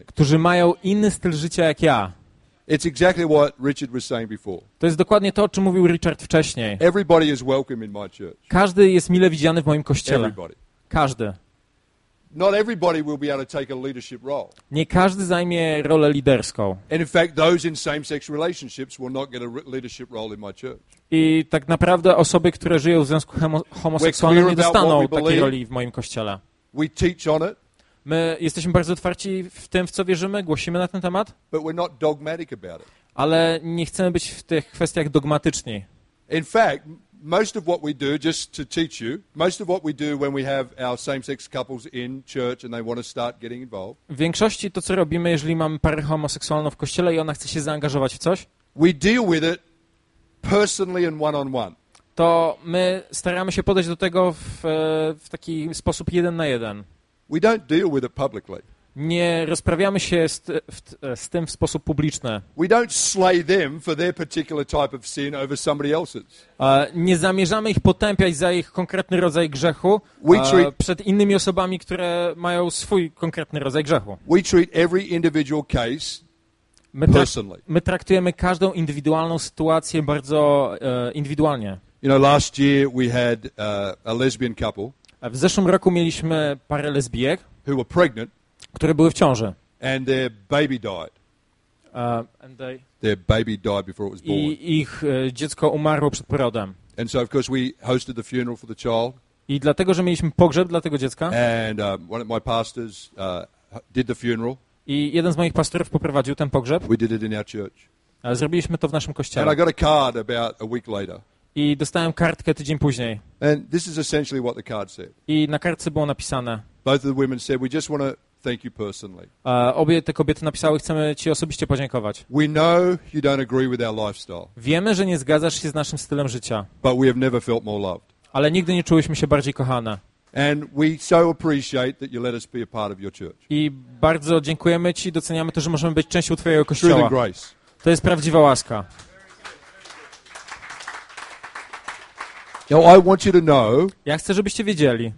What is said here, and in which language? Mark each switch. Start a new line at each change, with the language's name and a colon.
Polish: którzy mają inny styl życia jak ja.
English: It's exactly what Richard was saying before.
Polish: To jest dokładnie to, o czym mówił Richard wcześniej.
English: Everybody is welcome in my church.
Polish: Każdy jest mile widziany w moim kościele.
English: Everybody.
Polish: Każdy.
English: Not everybody will be able to take a leadership role.
Polish: Nie każdy zajmie rolę liderską.
English: And in fact, those in same-sex relationships will not get a leadership role in my church.
Polish: I tak naprawdę osoby, które żyją w związku homoseksualnym, nie dostaną takiej roli w moim kościele.
English: We teach on it.
Polish: My jesteśmy bardzo otwarci w tym, w co wierzymy, głosimy na ten temat,
English: but we're not dogmatic about it.
Polish: Ale nie chcemy być w tych kwestiach dogmatyczni.
English: In fact, most of what we do, just to teach you, most of what we do when we have our same-sex couples in church and they want to start getting involved.
Polish: W większości to, co robimy, jeżeli mamy parę homoseksualną w kościele i ona chce się zaangażować w coś,
English: we deal with it personally and one-on-one.
Polish: To my staramy się podejść do tego w taki sposób jeden na jeden.
English: We don't deal with it publicly.
Polish: Nie rozprawiamy się z tym w sposób publiczny.
English: We don't slay them for their particular type of sin over somebody else's.
Polish: Nie zamierzamy ich potępiać za ich konkretny rodzaj grzechu przed innymi osobami, które mają swój konkretny rodzaj grzechu.
English: We treat every individual case personally.
Polish: My traktujemy każdą indywidualną sytuację bardzo indywidualnie.
English: You know, last year we had a lesbian couple.
Polish: W zeszłym roku mieliśmy parę lesbijek,
English: who were pregnant,
Polish: które były w ciąży.
English: And their baby died. Their baby died before it was born.
Polish: I ich dziecko umarło przed porodem.
English: And so of course we hosted the funeral for the child.
Polish: I dlatego, że mieliśmy pogrzeb dla tego dziecka.
English: And one of my pastors did the funeral.
Polish: I jeden z moich pastorów poprowadził ten pogrzeb.
English: We did it in our church.
Polish: Zrobiliśmy to w naszym kościele.
English: And I got a card about a week later.
Polish: I dostałem kartkę tydzień później.
English: And this is essentially what the card said.
Polish: I na kartce było napisane.
English: Both of the women said, "We just want to thank you personally."
Polish: Obie te kobiety napisały, chcemy ci osobiście podziękować.
English: We know you don't agree with our lifestyle.
Polish: Wiemy, że nie zgadzasz się z naszym stylem życia.
English: But we have never felt more loved.
Polish: Ale nigdy nie czułyśmy się bardziej kochane.
English: And we so appreciate that you let us be a part of your church.
Polish: I bardzo dziękujemy ci, doceniamy to, że możemy być częścią twojego kościoła. To jest prawdziwa łaska.
English: Now I want you to know,
Polish: ja chcę, żebyście wiedzieli,